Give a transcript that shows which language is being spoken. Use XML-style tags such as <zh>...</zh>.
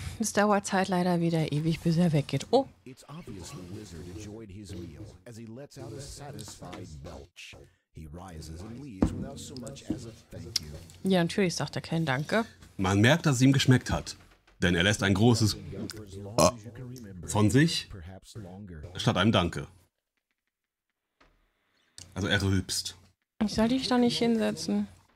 <de>Es dauert Zeit leider wieder ewig, bis er weggeht. Oh.</de> <en>It's obvious the wizard enjoyed his meal as he lets out a satisfied belch. He rises and leaves without so much as a thank you.</en> <de>Ja, natürlich sagt er kein Danke. Man merkt, dass es ihm geschmeckt hat. Denn er lässt ein großes von sich statt einem Danke. Also er rülpst. Ich soll dich da nicht hinsetzen.</de>